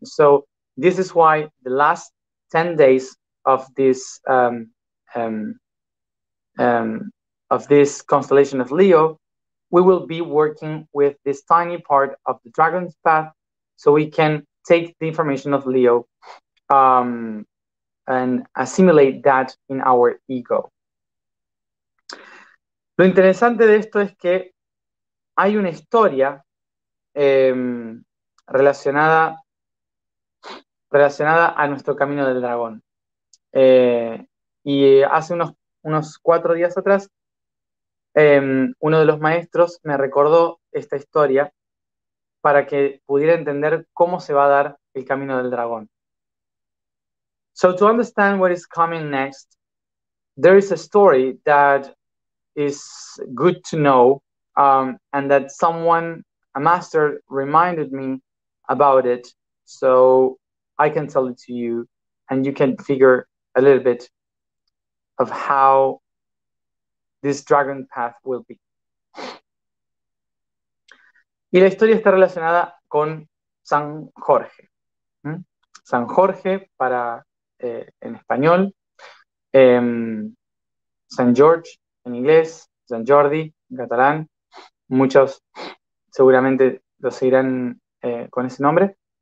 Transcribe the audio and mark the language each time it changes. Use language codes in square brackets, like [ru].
[en] So this is why the last 10 days of this of this constellation of Leo, we will be working with this tiny part of the dragon's path, so we can take the information of Leo and assimilate that in our ego. [es] Lo interesante de esto es que hay una historia relacionada a nuestro camino del dragón. Y hace unos 4 días atrás, uno de los maestros me recordó esta historia para que pudiera entender cómo se va a dar el camino del dragón. [en] So to understand what is coming next, there is a story that is good to know, and that someone, a master, reminded me about it, so I can tell it to you, and you can figure a little bit of how this dragon path will be. [es] Y la historia está relacionada con San Jorge. San Jorge, para en español, San George en inglés, San Jordi en catalán, muchos seguramente lo seguirán con ese nombre.